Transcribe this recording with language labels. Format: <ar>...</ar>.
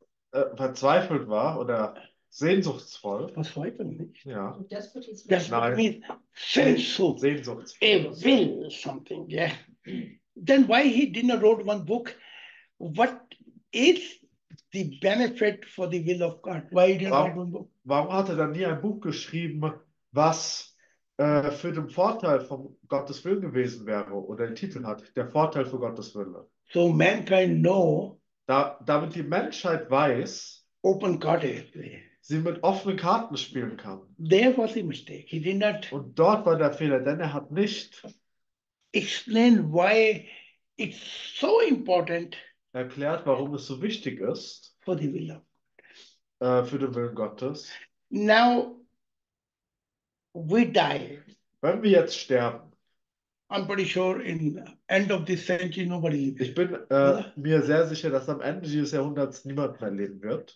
<de>verzweifelt war oder sehnsuchtsvoll, was weiß man nicht. ja, nein,</de> <en>Desperate means so. A</en> <de>sehnsuchtsvoll.</de> <en>will something, yeah. Then why he did not wrote one book? What is the benefit for the will of God? Why he did not write</en> <de>Warum</de> <en>one book?</en> <de>hat er dann nie ein Buch geschrieben, was für den Vorteil von Gottes Willen gewesen wäre oder den Titel hat, der Vorteil für Gottes Wille?</de> <en>So mankind know</en> <de>Damit die Menschheit weiß,</de> <en>open God is.</en> <de>sie mit offenen Karten spielen kann.</de> <en>There was a mistake. He did not</en> <de>Und dort war der Fehler, denn er hat nicht</de> <en>explain why it's so important</en> <de>erklärt, warum es so wichtig ist</de> <en>for the will of</en> <de>für den Willen Gottes.</de> <en>God. Now we die.</en> <de>Wenn wir jetzt sterben,</de> <en>I'm pretty sure in end of this century nobody</en> <de>ich</de> <en>will,</en> <de>bin oder? mir sehr sicher, dass am Ende dieses Jahrhunderts niemand mehr leben wird.</de>